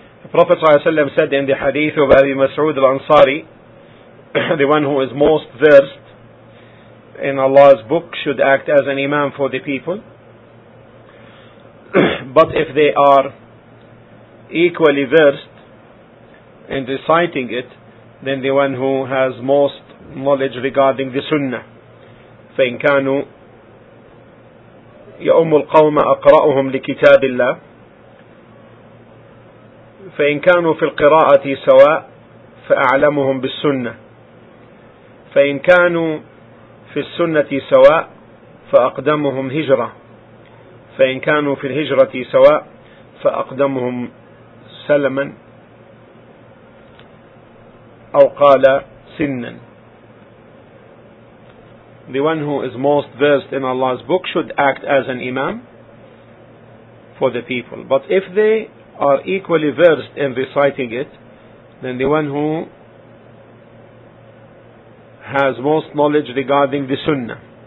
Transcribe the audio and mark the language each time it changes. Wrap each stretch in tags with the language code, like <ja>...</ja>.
<en>Prophet ﷺ said in the hadith of Abi Mas'ud al-Ansari, the one who is most versed in Allah's book should act as an imam for the people. But if they are equally versed in reciting it, then the one who has most knowledge regarding the sunnah.</en> <ar>فَإِنْ كَانُوا يَأُمُّ الْقَوْمَ أَقْرَأُهُمْ لِكِتَابِ اللَّهِ فإن كانوا في القراءة سواء فأعلمهم بالسنة فإن كانوا في السنة سواء فأقدمهم هجرة فإن كانوا في الهجرة سواء فأقدمهم سلما أو قال سنا.</ar> <en>The one who is most versed in Allah's book should act as an imam for the people. But if they are equally versed in reciting it, then the one who has most knowledge regarding the sunnah.</en>